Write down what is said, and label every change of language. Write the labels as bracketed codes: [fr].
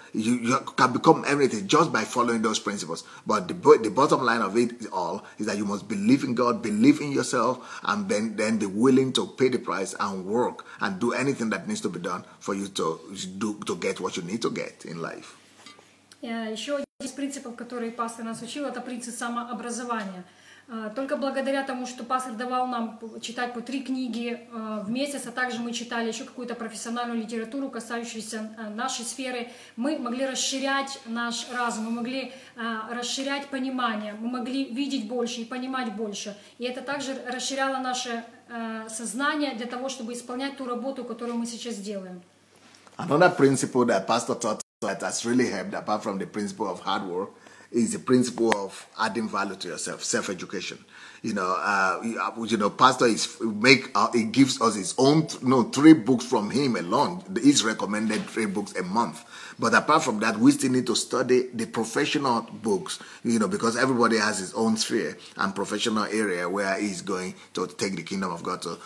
[en] You can become everything just by following those principles. But the bottom line of it all is that you must believe in God, believe in yourself, and then be willing to pay the price and work and do anything that needs to be done for you to get what you need to get in life. [ru] Еще один из принципов, который пастор нас учил, это принцип самообразования. Только благодаря тому, что пастор давал нам читать по 3 книги в месяц, а также мы читали еще какую-то профессиональную литературу, касающуюся нашей сферы, мы могли расширять наш разум, мы могли расширять понимание, мы могли видеть больше и понимать больше. И это также расширяло наше сознание для того, чтобы исполнять ту работу, которую мы сейчас делаем. [en] Another principle that pastor taught that has really helped, apart from the principle of hard work, is the principle of adding value to yourself, self-education. You know, pastor is make he gives us his own three books from him alone. He's recommended 3 books a month. But apart from that, we still need to study the professional books, you know, because everybody has his own sphere and professional area where he's going to take the kingdom of God to.